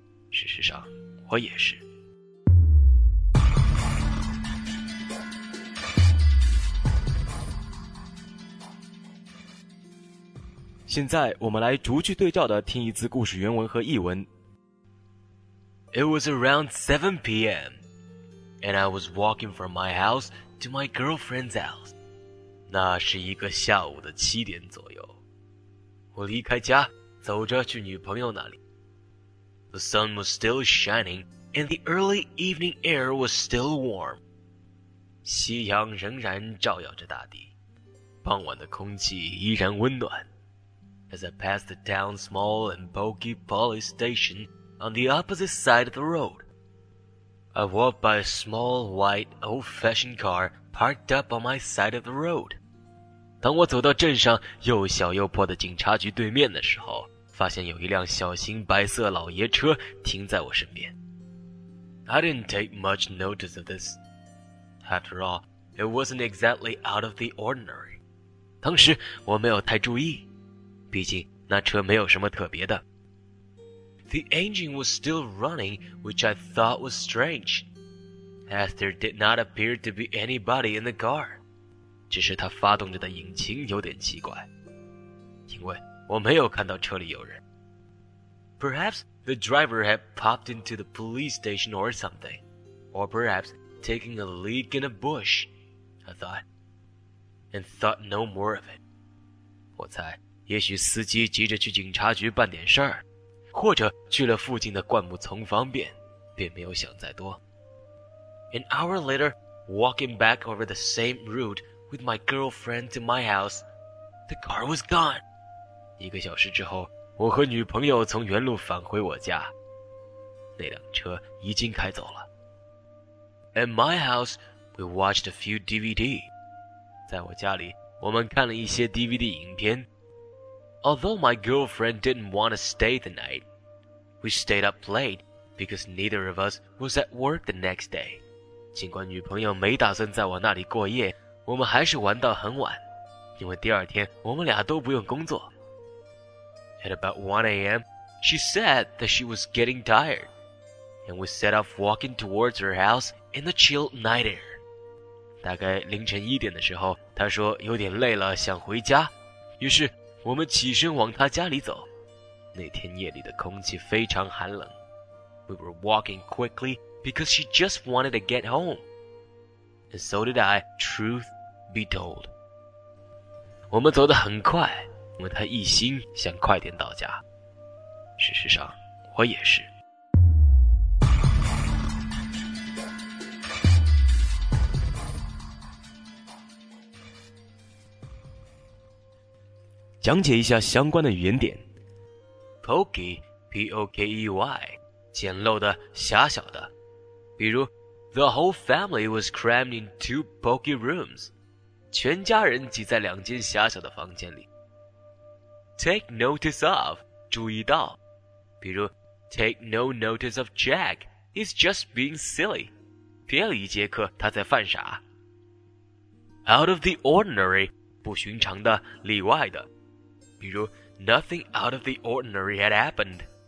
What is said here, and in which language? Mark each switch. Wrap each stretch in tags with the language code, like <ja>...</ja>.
<zh>事实上，我也是。现在我们来逐句对照的听一次故事原文和译文。</zh> <en>It was around 7 p.m. and I was walking from my house to my girlfriend's house.</en> <zh>那是一个下午的7点左右。我离开家，走着去女朋友那里。</zh> <en>The sun was still shining, and the early evening air was still warm.</en> <zh>夕阳仍然照耀着大地，傍晚的空气依然温暖。</zh> <en>As I passed the town's small and bulky police station on the opposite side of the road, I walked by a small, white, old-fashioned car parked up on my side of the road.</en> <zh>当我走到镇上又小又破的警察局对面的时候，发现有一辆小型白色老爷车停在我身边。</zh> <en>I didn't take much notice of this. After all, it wasn't exactly out of the ordinary.</en> <zh>当时我没有太注意，毕竟那车没有什么特别的。</zh> <en>The engine was still running, which I thought was strange, as there did not appear to be anybody in the car.</en> <zh>只是它发动着的引擎有点奇怪，因为我没有看到车里有人。</zh> <en>Perhaps the driver had popped into the police station or something. Or perhaps taking a leak in a bush, I thought. And thought no more of it.</en> <zh>我猜也许司机急着去警察局办点事儿，或者去了附近的灌木丛方便，便没有想再多。</zh> <en>An hour later, walking back over the same route with my girlfriend to my house, the car was gone.</en> <zh>一个小时之后，我和女朋友从原路返回我家，那辆车已经开走了。</zh> <en>At my house, we watched a few DVD.</en> <zh>在我家里，我们看了一些 DVD 影片。</zh> <en>Although my girlfriend didn't want to stay the night, we stayed up late because neither of us was at work the next day.</en> <zh>尽管女朋友没打算在我那里过夜，我们还是玩到很晚，因为第二天我们俩都不用工作。</zh> <en>At about 1 a.m, she said that she was getting tired, and we set off walking towards her house in the chill night air.</en> <zh>大概凌晨一点的时候，她说有点累了，想回家，于是我们起身往他家里走。那天夜里的空气非常寒冷。</zh> <en>We were walking quickly because she just wanted to get home. And so did I, truth be told.</en> <zh>我们走得很快，因为她一心想快点到家。事实上，我也是。讲解一下相关的语言点。</zh> <en>Pokey, P-O-K-E-Y,</en> <zh>简陋的，狭小的。比如</zh> <en>The whole family was crammed in two pokey rooms.</en> <zh>全家人挤在两间狭小的房间里。</zh> <en>Take notice of,</en> <zh>注意到。比如</zh> <en>Take no notice of Jack, he's just being silly.</en> <zh>别理杰克，他在犯傻。</zh> <en>Out of the ordinary,</en> <zh>不寻常的，例外的。比如</zh> <en>Nothing out of the ordinary had happened.</en>